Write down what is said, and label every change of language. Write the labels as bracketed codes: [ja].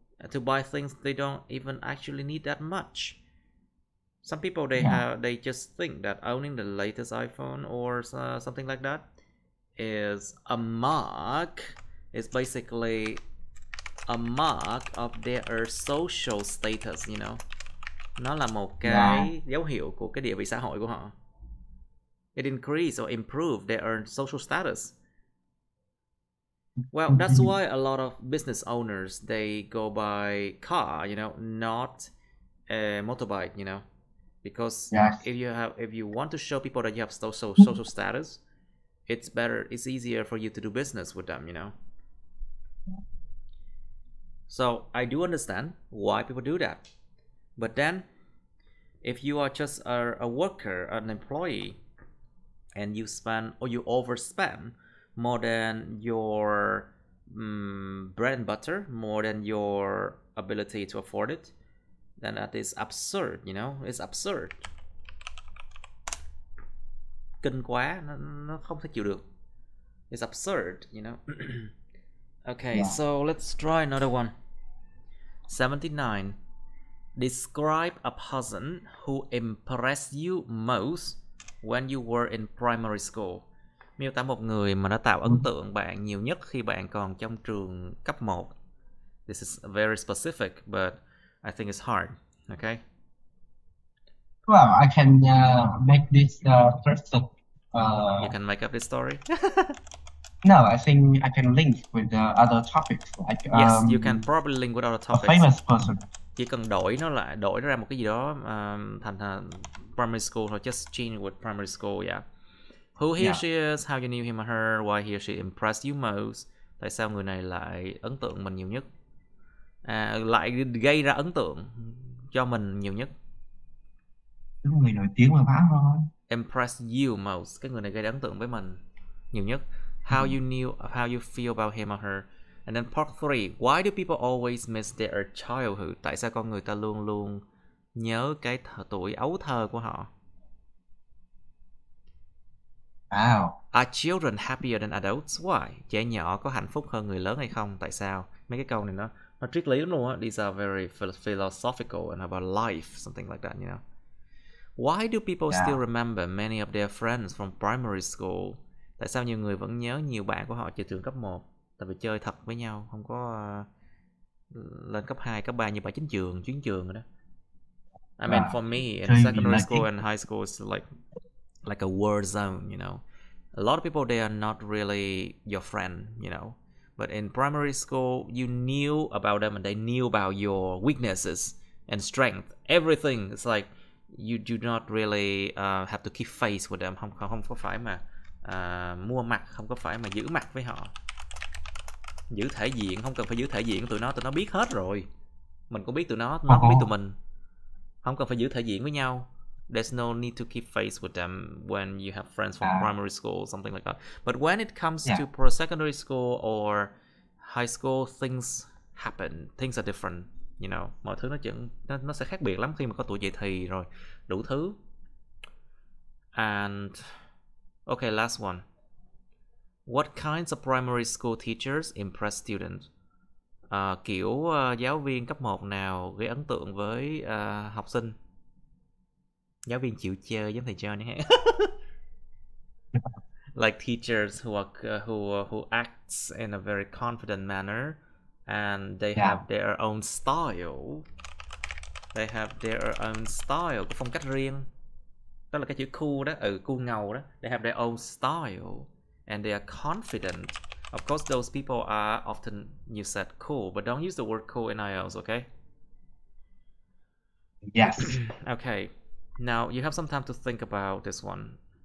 [en] To buy things they don't even actually need that much. Some people, they just think that owning the latest iPhone or something like that is a mark. It's basically a mark of their social status, you know? [vi] Nó là một cái dấu hiệu của cái địa vị xã hội của họ. [en] It increase or improve their social status. Well, that's why a lot of business owners, they go by car, you know, not a motorbike, you know. Because if you want to show people that you have social status, it's better, it's easier for you to do business with them, you know. So I do understand why people do that. But then, if you are just a worker, an employee, and you spend or you overspend more than your bread and butter, more than your ability to afford it, then that is absurd, you know? It's absurd. [vi] Kinh quá, nó không thể chịu được. [en] It's absurd, you know? Okay, yeah. So let's try another one. 79. Describe a person who impressed you most when you were in primary school. [vi] Miêu tả một người mà đã tạo ấn tượng bạn nhiều nhất khi bạn còn trong trường cấp 1. [en] This is very specific, but I think it's hard. Okay. Well, I can make this person. You can make up this story. No, I think I can link with other topics. Like, yes, you can probably link with other topics. A famous person. [vi] Chỉ cần đổi nó ra một cái gì đó thành primary school [en] or just change with primary school, yeah. Who he or she is, how you knew him or her, why he or she impressed you most. [vi] Tại sao người này lại ấn tượng mình nhiều nhất? Lại gây ra ấn tượng cho mình nhiều nhất. Cái người nổi tiếng mà bán thôi. [en] Impressed you most, [vi] cái người này gây ra ấn tượng với mình nhiều nhất. [en] How you knew, how you feel about him or her. And then part 3, why do people always miss their childhood? [vi] Tại sao con người ta luôn luôn nhớ cái tuổi ấu thơ của họ? [en] Wow. Are children happier than adults? Why? [vi] Trẻ nhỏ có hạnh phúc hơn người lớn hay không? Tại sao? Mấy cái câu này nó triết lý lắm luôn á. [en] These are very philosophical and about life, something like that, you know. Why do people still remember many of their friends from primary school? [vi] Tại sao nhiều người vẫn nhớ nhiều bạn của họ từ trường cấp 1? Tại vì chơi thật với nhau, không có lên cấp 2, cấp 3 như bài chính trường, chuyến trường rồi đó. [en] I mean, for me, in [vi] chơi vì [en] secondary [vi] lợi [en] school [vi] ích. [en] and high school, it's like a war zone, you know. A lot of people, they are not really your friend, you know. But in primary school, you knew about them and they knew about your weaknesses and strength. Everything, it's like you do not really have to keep face with them. [vi] Không, không có phải mà mua mặt, không có phải mà giữ mặt với họ. Giữ thể diện, không cần phải giữ thể diện, tụi nó biết hết rồi. Mình cũng biết tụi nó cũng biết tụi mình. Không cần phải giữ thể diện với nhau. [en] There's no need to keep face with them when you have friends from primary school, something like that. But when it comes to pre-secondary school or high school, things happen. Things are different, you know. [vi] Mọi thứ nó sẽ khác biệt lắm khi mà có tuổi dậy thì rồi. Đủ thứ. [en] And okay, last one. What kinds of primary school teachers impress students? [vi] Kiểu giáo viên cấp 1 nào gây ấn tượng với học sinh? Giáo viên chịu chơi giống thầy cho nhé. [en] Like teachers who acts in a very confident manner and they have their own style. They have their own style, [vi] có phong cách riêng. Đó là cái chữ cool đó, cool ngầu đó. [en] They have their own style and they are confident. Of course, those people are often, you said, cool, but don't use the word cool in IELTS, okay? Yes. Okay, now you have some time to think about this one.